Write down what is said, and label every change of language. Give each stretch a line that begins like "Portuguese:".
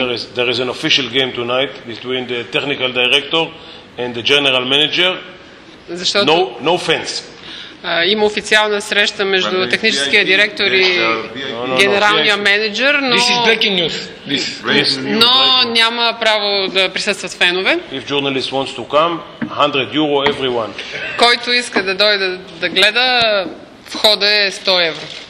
English: There is an official game tonight between the technical director and the general manager.
Bulgarian: Защото,
English: no offense.
Bulgarian: Има официална среща между техническия директор и генералния менеджер, но...
English: This is breaking news. This.
Bulgarian: Но няма право да присъстват фенове.
English: If journalist wants to come, 100 euro everyone.
Bulgarian: Който иска да дойде да гледа, входа е 100 евро.